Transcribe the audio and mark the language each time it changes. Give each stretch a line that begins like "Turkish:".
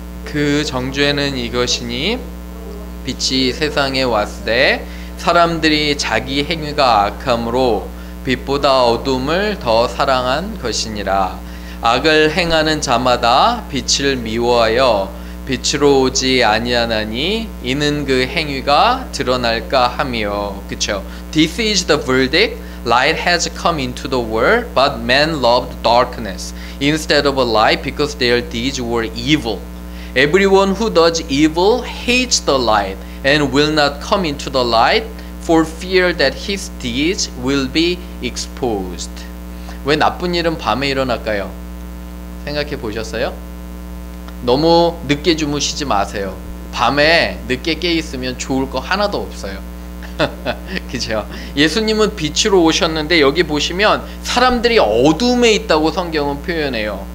Korean: 그 정죄는 이것이니 빛이 세상에 왔으되 사람들이 자기 행위가 악함으로 빛보다 어둠을 더 사랑한 것이니라. 악을 행하는 자마다 빛을 미워하여 빛으로 오지 아니하나니 이는 그 행위가 드러날까 하며 그쵸.
English: This is the verdict. Light has come into the world, but men loved darkness instead of a light because their deeds were evil. Everyone who does evil hates the light and will not come into the light for fear that his deeds will be exposed.
Korean: 왜 나쁜 일은 밤에 일어날까요? 생각해 보셨어요? 너무 늦게 주무시지 마세요. 밤에 늦게 깨 있으면 좋을 거 하나도 없어요. 그죠? 예수님은 빛으로 오셨는데 여기 보시면 사람들이 어둠에 있다고 성경은 표현해요.